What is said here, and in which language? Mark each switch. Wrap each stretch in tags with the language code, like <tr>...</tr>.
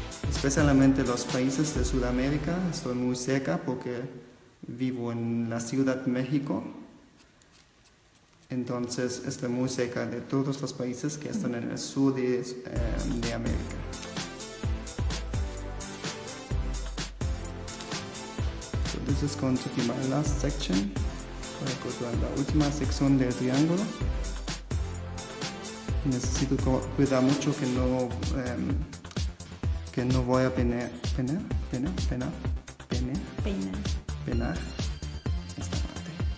<es>Especialmente los países de Sudamérica, estoy muy cerca porque vivo en la Ciudad de México. Entonces estoy muy cerca de todos los países que están en el sur de América.</es> <en>This is going to be my last section.</en> <es>Voy a cortar la última sección del triángulo. Necesito cuidar mucho que no voy a penar esta parte.</es>